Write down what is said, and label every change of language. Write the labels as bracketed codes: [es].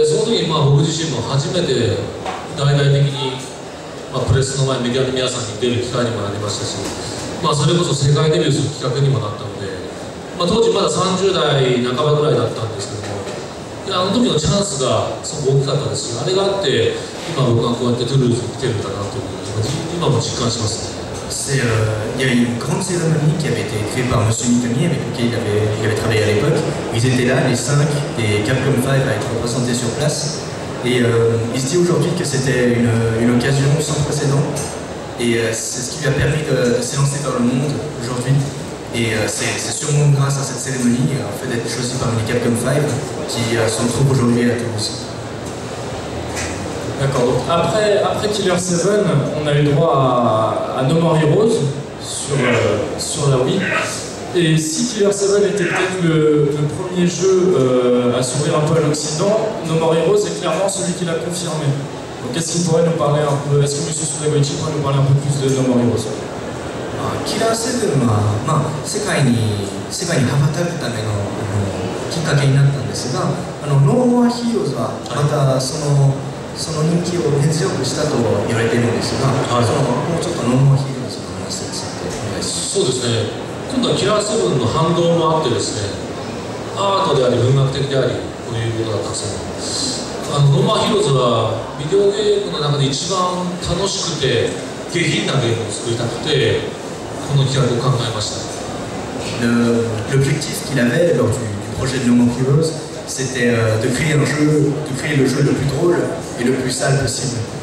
[ja] でその時に、まあ、僕自身も初めて大々的に、まあ、プレスの前メディアの皆さんに出る機会にもなりましたし、まあそれこそ世界デビューする企画にもなったので、まあ、当時まだ30代半ばぐらいだったんですけども、いや、あの時のチャンスがすごく大きかったですし、あれがあって今僕がこうやってトゥルーズに来てるんだなというふうに今も実感しますね。 [fr] C'est il y a une grande cérémonie qui avait été créée par Monsieur Mikami avec qui il avait travaillé à l'époque. Ils étaient là, les cinq, et Capcom 5 a été représenté sur place. Et il se dit aujourd'hui que c'était une occasion sans précédent. Et c'est ce qui lui a permis de s'élancer dans le monde aujourd'hui. Et c'est sûrement grâce à cette cérémonie, en fait, d'être choisi parmi les Capcom 5 qui se retrouvent aujourd'hui à Toulouse. D'accord. Donc après Killer 7, on a eu droit à No More Heroes sur la Wii. Et si Killer 7 était peut-être le premier jeu à s'ouvrir un peu à l'Occident, No More Heroes est clairement celui qui l'a confirmé. Qu'est-ce qu'il pourrait nous parler un peu? Est-ce que M. Suda Goichi pourrait nous parler un peu plus de No More Heroes? [ja] Killer 7 は、まあ、世界に羽ばたくためのきっかけになったんですが、No More Heroes はまたその人気を根強くしたと言われているんですが、もうちょっと No More Heroes の話についてお願いします。そうですね。今度はキラーセブンの反動もあってですね、アートであり文学的でありということがたくさんあります。ノーマーヒローズはビデオゲームの中で一番楽しくて下品なゲームを作りたくてこの企画を考えました。 [fr] L'objectif qu'il avait lors du projet de No More Heroes, c'était de créer un jeu, de créer le jeu le plus drôle et le plus sale possible.